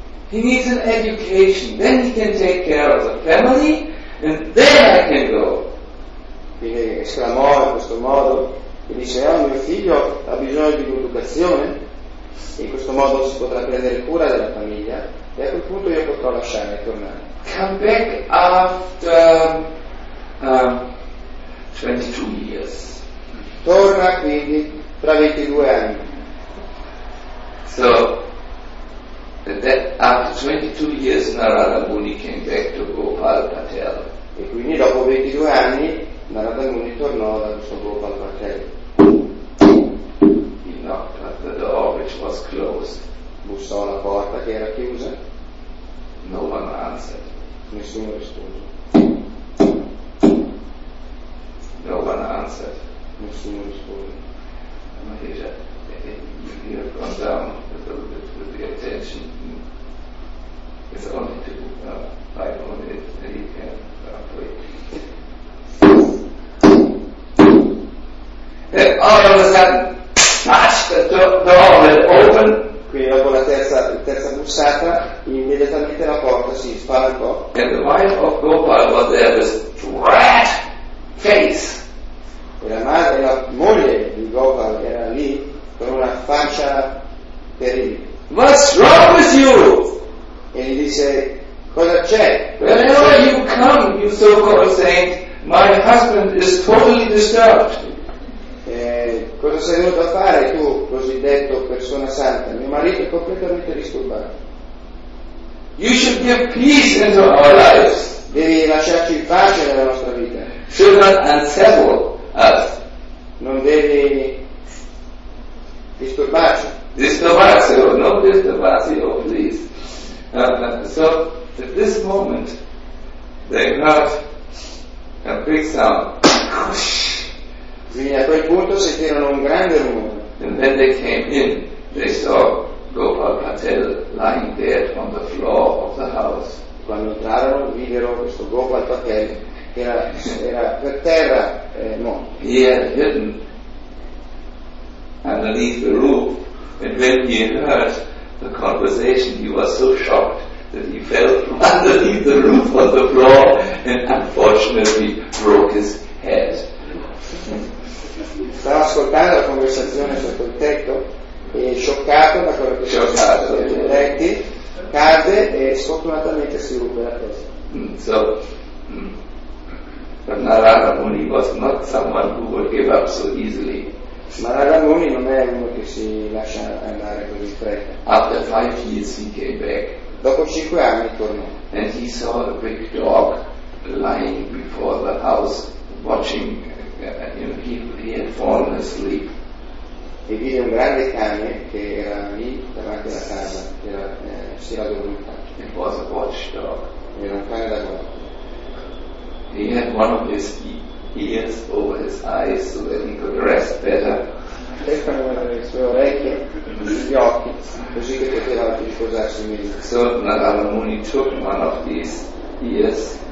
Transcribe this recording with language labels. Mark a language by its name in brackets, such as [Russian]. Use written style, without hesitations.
[English] He needs an education. Then he can take care of the family, and then I can go. [Italian] Quindi esclamò in questo modo e dice: oh, mio figlio ha bisogno di un'educazione, e in questo modo si potrà prendere cura della famiglia, e a quel punto io potrò lasciare e tornare. [English] Come back after 22 years. [Italian] Torna quindi tra 22 anni. [English] So that after 22 years Narada Muni came back to Gopal Patel. [Italian] E quindi dopo 22 anni Narada Muni tornò da questo Gopal Patel. [English] He knocked at the door which was closed. [Italian] Bussò alla porta che era chiusa. [English] No one answered. [Italian] Nessuno rispose. [English] No one answered. [Italian] Nessuno rispose. [English] Mahesha, you have gone down a little bit with the attention. It's only 5 minutes and you can wait. And all of a sudden, touch the door will open. [Italian] Quindi dopo la terza bussata, immediatamente la porta si spalancò. [English] And the wife of Gopal was there with red face. [Italian] E la moglie di Gopal era lì con una faccia terribile. [English] What's wrong with you? [Italian] E gli dice: cosa c'è? [English] Wherever you come, you so-called saint, my husband is totally disturbed. [Italian] Cosa sei venuto a fare tu, cosiddetto persona santa? Mio marito è completamente disturbato. [English] You should give peace into our lives. [Italian] Devi lasciarci in pace nella nostra vita. [English] Should not unsettle us. [Italian] Non devi disturbarci. Disturbatio, no disturbatio, please. [English] So at this moment they heard a big sound. [Italian] Quindi a quel punto sentirono un grande rumore. [English] And when they came in, they saw Gopal Patel lying dead on the floor of the house. [Italian] Quando entrarono, videro questo Gopal Patel che era per terra morto. [English] He had hidden underneath the roof, and when he heard the conversation, he was so shocked that he fell from underneath the roof on the floor and unfortunately broke his head. [Italian] Stava ascoltando la conversazione sotto il tetto e scioccato da quello che scioccato, si è detto, cade e sfortunatamente si ruppe la testa. [English] So Narada Muni was not someone who would give up so easily. [Italian] Ma Narada Muni non è uno che si lascia andare così in fretta. [English] After 5 years he came back. [Italian] Dopo 5 anni tornò. [English] And he saw a big dog lying before the house watching. He had fallen asleep. [Italian] E vide un grande cane che era lì davanti alla casa, che era, si era dormito. [English] It was a watchdog. [Italian] Era un cane da guardia. [English] He had one of his ears over his eyes so that he could rest better. [Italian] Le sue orecchie, gli occhi, così che poteva riposarsi meglio. [English] So Narada Muni took one of these ears.